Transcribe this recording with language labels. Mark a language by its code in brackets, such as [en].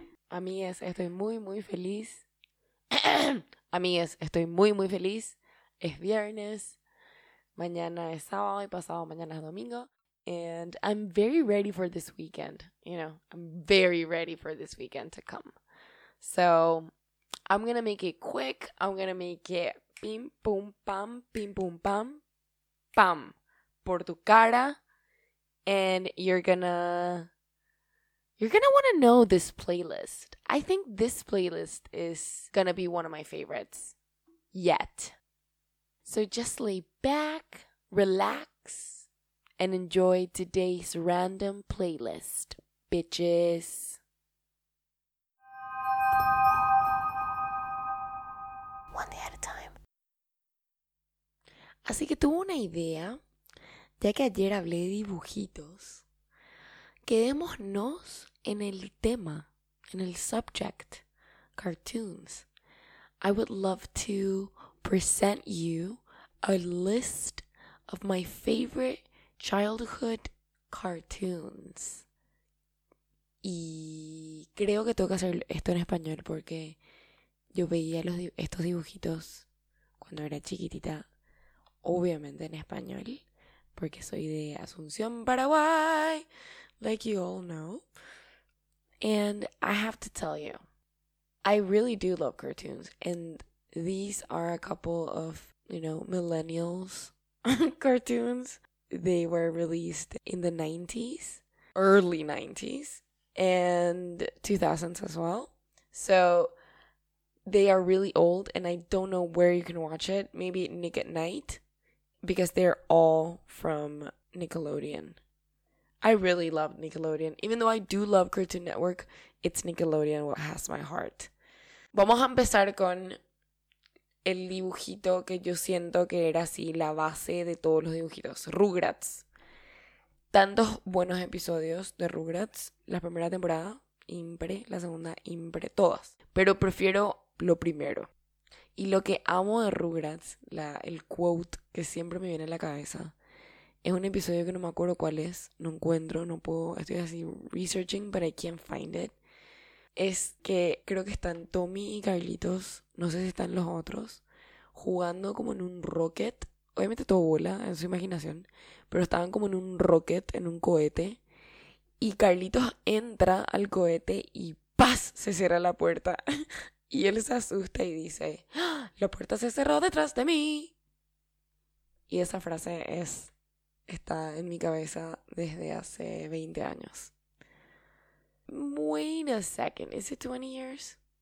[es] Amigues, estoy muy, muy feliz. Amigues, estoy muy, muy feliz. Es viernes. Mañana es sábado y pasado mañana es domingo. [en] And I'm very ready for this weekend. You know, I'm very ready for this weekend to come. So, I'm going to make it quick. I'm going to make it pim, pum, pam, pim, pum, pam, pam. [es] Por tu cara. [en] And you're gonna want to know this playlist. I think this playlist is gonna be one of my favorites yet. So just lay back, relax, and enjoy today's random playlist, bitches. One day at a time. [es] Así que tuve una idea. Ya que ayer hablé de dibujitos, quedémonos en el tema, en el subject, cartoons. [en] I would love to present you a list of my favorite childhood cartoons. [es] Y creo que tengo que hacer esto en español porque yo veía estos dibujitos cuando era chiquitita, obviamente en español. Porque soy de Asunción, Paraguay, [en] like you all know. And I have to tell you, I really do love cartoons. And these are a couple of, you know, millennials cartoons. They were released in the 90s, early 90s, and 2000s as well. So they are really old, and I don't know where you can watch it. Maybe Nick at Night. Because they're all from Nickelodeon. I really love Nickelodeon. Even though I do love Cartoon Network, it's Nickelodeon what has my heart. [es] Vamos a empezar con el dibujito que yo siento que era así la base de todos los dibujitos. Rugrats. Tantos buenos episodios de Rugrats. La primera temporada, impre. La segunda, impre. Todas. Pero prefiero lo primero. Y lo que amo de Rugrats, el quote que siempre me viene a la cabeza, es un episodio que no me acuerdo cuál es, no encuentro, no puedo, estoy así researching, [en] but I can't find it. [es] Es que creo que están Tommy y Carlitos, no sé si están los otros, jugando como en un rocket. Obviamente todo vuela, en su imaginación, pero estaban como en un rocket, en un cohete. Y Carlitos entra al cohete y ¡paz! Se cierra la puerta. Y él se asusta y dice, la puerta se cerró detrás de mí. Y esa frase está en mi cabeza desde hace 20 años. [en] Wait a second, is it 20 years?